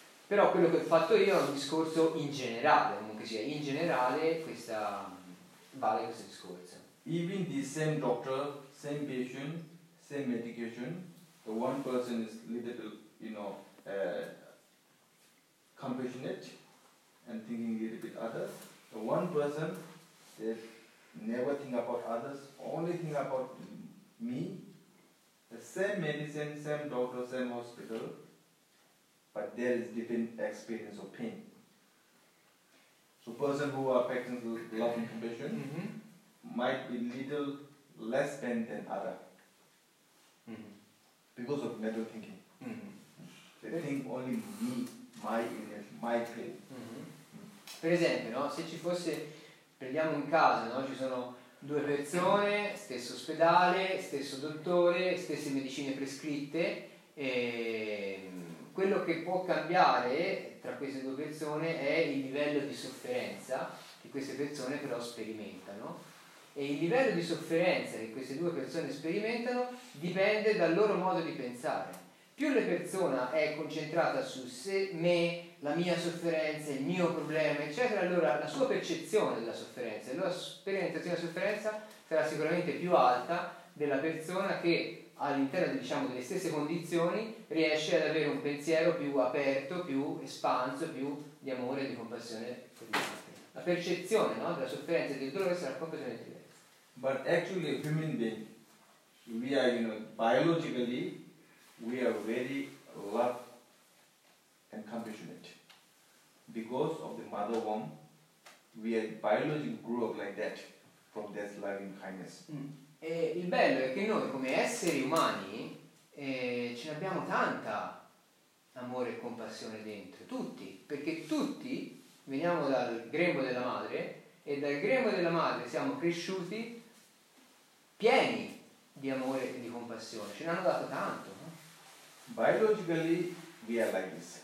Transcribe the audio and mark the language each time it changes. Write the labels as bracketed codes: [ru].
[it] Però quello che ho fatto io è un discorso in generale, comunque sia, in generale questa vale questo discorso. [en] Even the same doctor, same patient, same medication, the one person is little bit, you know, compassionate and thinking a little bit others. The one person that never think about others, only think about me. The same medicine, same doctor, same hospital, but there is different experience of pain. So person who are affecting the love and compassion might be little less pain than other. Because of mental thinking. They think only me, my illness, my pain. [it] Per esempio, no? Se ci fosse, prendiamo un caso, no? Ci sono due persone, stesso ospedale, stesso dottore, stesse medicine prescritte, e quello che può cambiare tra queste due persone è il livello di sofferenza che queste persone però sperimentano, e il livello di sofferenza che queste due persone sperimentano dipende dal loro modo di pensare. Più la persona è concentrata su sé, me, la mia sofferenza, il mio problema, eccetera, allora la sua percezione della sofferenza, la sua esperienza della sofferenza sarà sicuramente più alta della persona che all'interno, diciamo, delle stesse condizioni riesce ad avere un pensiero più aperto, più espanso, più di amore e di compassione per gli altri. La percezione, no, della sofferenza e del dolore sarà completamente diversa. [en] But actually, human being, we are, you know, biologically, we are very loved and compassionate. Because of the mother womb, we are biologically grew up like that, from that loving kindness. [it] E il bello è che noi come esseri umani ce ne abbiamo tanta amore e compassione dentro, tutti, perché tutti veniamo dal grembo della madre e dal grembo della madre siamo cresciuti pieni di amore e di compassione, ce ne hanno dato tanto. [en] Biologically we are like this.